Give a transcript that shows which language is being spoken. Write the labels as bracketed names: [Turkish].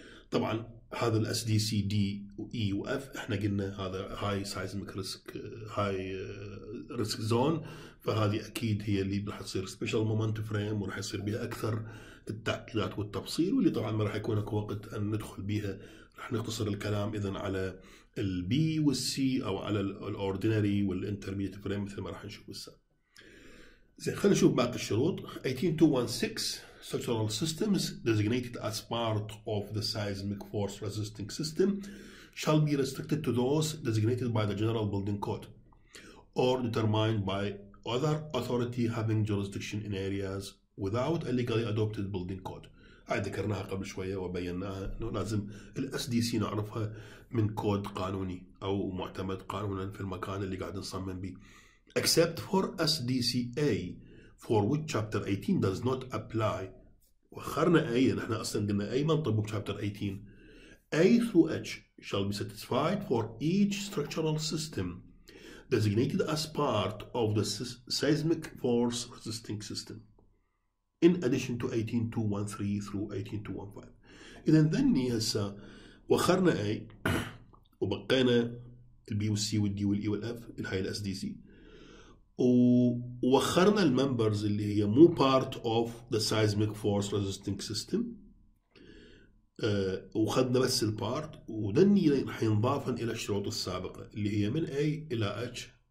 [Arabic] طبعا هذا الاس دي سي دي واي واف احنا قلنا هذا هاي سايزميك ريسك، هاي ريسك زون، فهذه اكيد هي اللي راح تصير سبيشال مومنت فريم وراح يصير بها اكثر التعقيدات والتفصيل، واللي طبعا ما راح يكون اكو وقت ان ندخل بها. راح نختصر الكلام اذا على البي والسي او على الاوردينري والانترميديت فريم مثل ما راح نشوف هسه. زين خلينا نشوف باقي الشروط. [English] 18216 Structural systems designated as part of the seismic force resisting system shall be restricted to those designated by the General Building Code or determined by other authority having jurisdiction in areas without a legally adopted building code. [Arabic] هاي ذكرناها قبل شوية وبيناها انه لازم ال SDC نعرفها من كود قانوني او معتمد قانونا في المكان اللي قاعد نصمم به. [English] Except for SDCA for which chapter 18 does not apply. [Arabic] وخرنا اي، احنا اصلا قلنا اي ما نطبق بشابتر 18. [English] A through H shall be satisfied for each structural system designated as part of the seismic force resisting system in addition to 18213 through 18215. [Arabic] اذا ذني هسه وخرنا اي وبقينا البي والسي والدي والاي والاف هاي الاس دي سي، ووخرنا الممبرز اللي هي مو بارت اوف ذا سيزميك فورس ريزيستنج سيستم، وخدنا بس البارت، وذني راح ينضاف الى الشروط السابقه اللي هي من اي الى اتش.